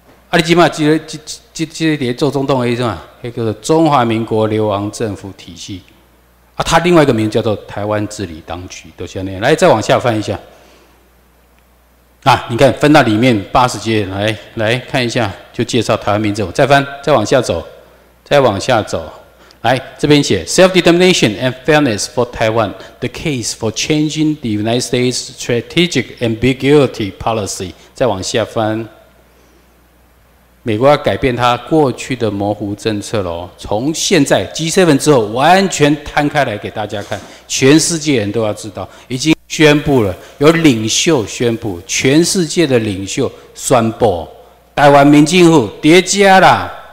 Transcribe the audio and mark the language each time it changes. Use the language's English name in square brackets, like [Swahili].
[Chinese] 啊，你起码记得做总统的意思嘛？那个中华民国流亡政府体系，啊，它另外一个名叫做台湾治理当局，都像那样。来，再往下翻一下。啊，你看分到里面80页，来看一下，就介绍台湾民政府。再翻，再往下走，来这边写 [English] self determination and fairness for Taiwan, the case for changing the United States strategic ambiguity policy。 [Chinese] 再往下翻，美国要改变它过去的模糊政策喽，从现在 G7 之后完全摊开来给大家看，全世界人都要知道，已经宣布了，有领袖宣布，全世界的领袖宣布，台湾民进户叠加啦。